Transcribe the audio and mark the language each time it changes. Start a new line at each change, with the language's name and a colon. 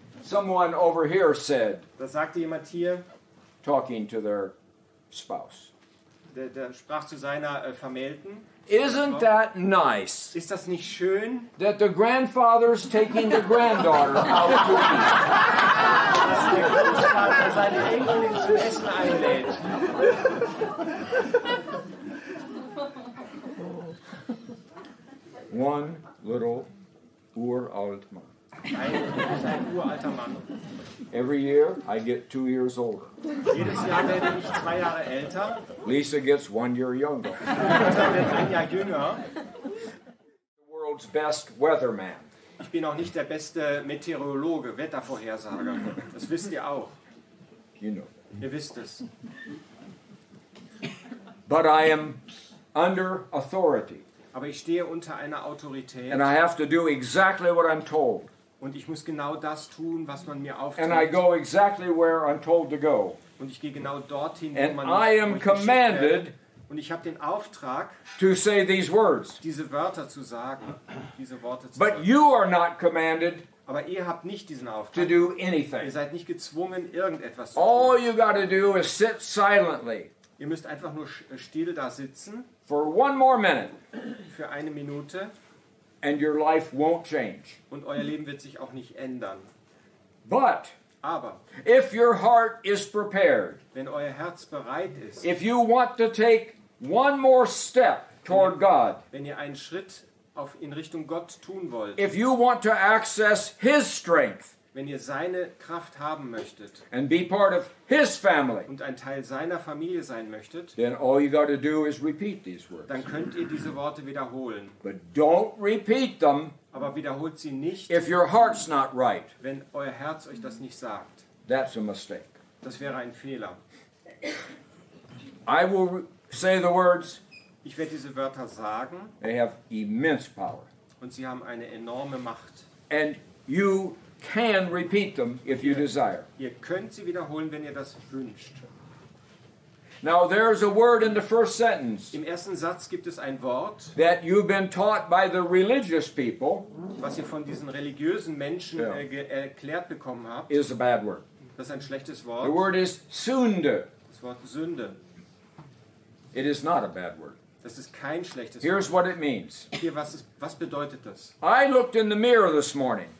English: someone over here said,
German: da sagte jemand hier,
English: talking to their spouse,
German: der sprach zu seiner Vermählten,
English: isn't that nice?
German: Ist das nicht schön?
English: That the grandfather's taking the granddaughter out to eat.
German: Dass der Großvater seine Enkelin zum Essen einlädt.
English: One little uralt man.
German: Ein uralter Mann.
English: Every year, I get 2 years older.
German: Jedes Jahr werde ich 2 Jahre älter.
English: Lisa gets 1 year younger.
German: Lisa wird 1 Jahr jünger.
English: The world's best weatherman.
German: Ich bin auch nicht der beste Meteorologe, Wettervorhersager. Das wisst ihr auch.
English: You know.
German: Ihr wisst es.
English: But I am under authority.
German: Aber ich stehe unter einer Autorität.
English: And I have to do exactly what I'm told.
German: Und ich muss genau das tun, was man mir aufträgt.
English: And I go exactly where I'm told to go.
German: Und ich gehe genau dorthin,
English: and
German: wo man
English: I am commanded
German: und ich habe den Auftrag
English: to say these words.
German: Diese Wörter zu sagen, diese Worte zu
English: But
German: sagen.
English: You are not commanded.
German: Aber ihr habt nicht diesen Auftrag.
English: To do anything.
German: Ihr seid nicht gezwungen, irgendetwas zu tun.
English: All you got to do is sit silently.
German: Ihr müsst einfach nur still da sitzen.
English: For one more minute.
German: Für eine Minute.
English: And your life won't change.
German: Und euer Leben wird sich auch nicht ändern.
English: But
German: aber
English: if your heart is prepared,
German: wenn euer Herz bereit ist,
English: if you want to take one more step toward God,
German: wenn ihr einen Schritt auf in Richtung Gott tun wollt,
English: if you want to access His strength,
German: wenn ihr seine Kraft haben möchtet,
English: and be part of His family,
German: und ein Teil seiner Familie sein möchtet,
English: then all you got to do is repeat these words.
German: Dann könnt ihr diese Worte wiederholen.
English: But don't repeat them.
German: Aber wiederholt sie nicht.
English: If your heart's not right,
German: wenn euer Herz euch das nicht sagt,
English: that's a mistake.
German: Das wäre ein Fehler.
English: I will say the words.
German: Ich werde diese Wörter sagen.
English: They have immense power.
German: Und sie haben eine enorme Macht.
English: And you can repeat them if you desire.
German: Ihr könnt sie wiederholen, wenn ihr das wünscht.
English: Now there's a word in the first sentence.
German: Im ersten Satz gibt es ein Wort.
English: That you've been taught by the religious people.
German: Was ihr von diesen religiösen Menschen erklärt bekommen habt.
English: Is a bad word.
German: Das ist ein schlechtes Wort.
English: The word is Sünde.
German: Das Wort Sünde.
English: It is not a bad word.
German: Das ist kein schlechtes
English: Here's
German: Wort.
English: Here's what it means.
German: Hier was bedeutet das?
English: I looked in the mirror this morning.